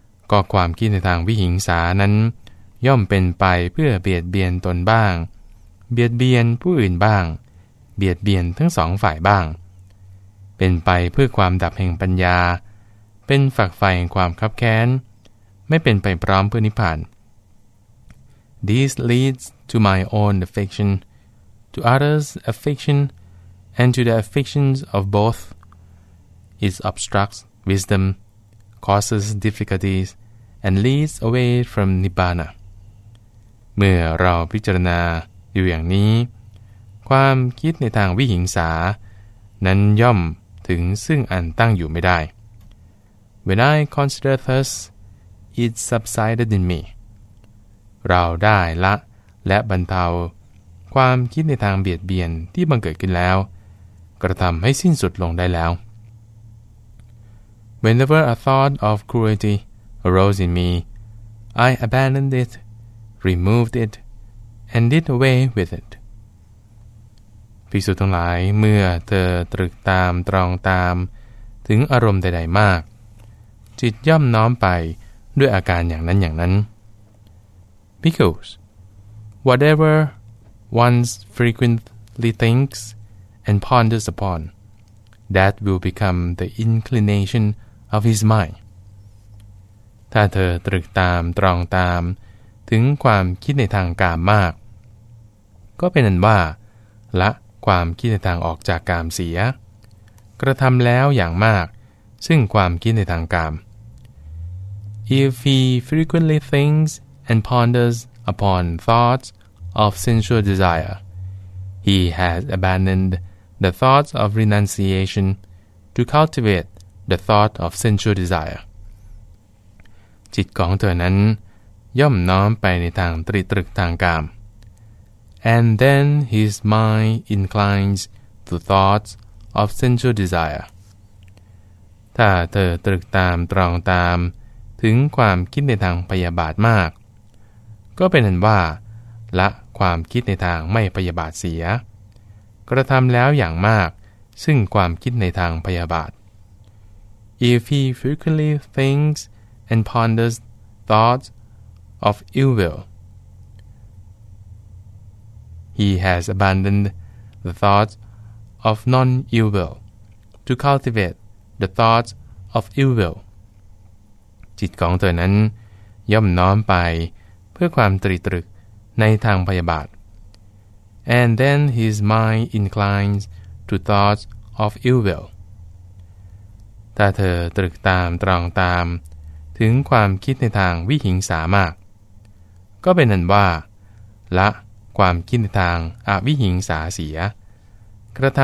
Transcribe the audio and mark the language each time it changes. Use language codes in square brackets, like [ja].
[th] ก็ความคิดในทางวิหิงสานั้นย่อมเป็นไปเพื่อเบียดเบียนตนบ้างเบียดเบียนผู้อื่นบ้างเบียดเบียนทั้งสองฝ่ายบ้างเป็นไปเพื่อความดับแห่งปัญญาเป็นฝักใฝ่แห่งความคับแค้นไม่เป็นไปพร้อมเพื่อนิพพาน [en] This leads to my own affectionTo others' affliction, and to the afflictions of both, it obstructs wisdom, causes difficulties, and leads away from Nibbana. [th] เมื่อเราพิจารณาอยู่อย่างนี้ความคิดในทางวิหิงสานั้นย่อมถึงซึ่งอันตั้งอยู่ไม่ได้ [en] When I consider thus, it subsided in me. [th] เราได้ละและบรรเทาความคิดในทางเบียดเบียนที่บังเกิดขึ้นแล้วกระทำให้สิ้นสุดลงได้แล้ว [en] Whenever a thought of cruelty arose in me, I abandoned it, removed it, and did away with it. [th] ภิกษุทั้งหลายเมื่อเธอตรึกตามตรองตามถึงอารมณ์ใดๆมากจิตย่อมน้อมไปด้วยอาการอย่างนั้นอย่างนั้น [en] Because whateverone frequently thinks and ponders upon, that will become the inclination of his mind. [th] ถ้าเธอตรึกตามตรองตามถึงความคิดในทางกามมากก็เป็นอันว่าละความคิดในทางออกจากกามเสียกระทำแล้วอย่างมากซึ่งความคิดในทางกาม [en] If he frequently thinks and ponders upon thoughtsOf sensual desire, he has abandoned the thoughts of renunciation to cultivate the thought of sensual desire. [th] จิตของเธอนั้นย่อมน้อมไปในทางตรีตรึกทางกาม [en] And then his mind inclines to thoughts of sensual desire. [th] ถ้าเธอตรึกตามตรองตามถึงความคิดในทางพยาบาทมากก็เป็นอันว่าละความคิดในทางไม่พยาบาทเสียกระทำแล้วอย่างมากซึ่งความคิดในทางพยาบาท [en] If he frequently thinks and ponders thoughts of ill will, he has abandoned the thoughts of non-ill will to cultivate the thoughts of ill will. [th] จิตของเธอนั้นย่อมน้อมไปเพื่อความตรีตรึกในทางพยาบาท [en] And then his mind inclines to thoughts of ill will. [th] ถ้าเธอตรึกตามตรองตามถึงความคิดในทางวิหิงสามากก็เป็นอันว่าละความคิดในทางอวิหิงสาเสียก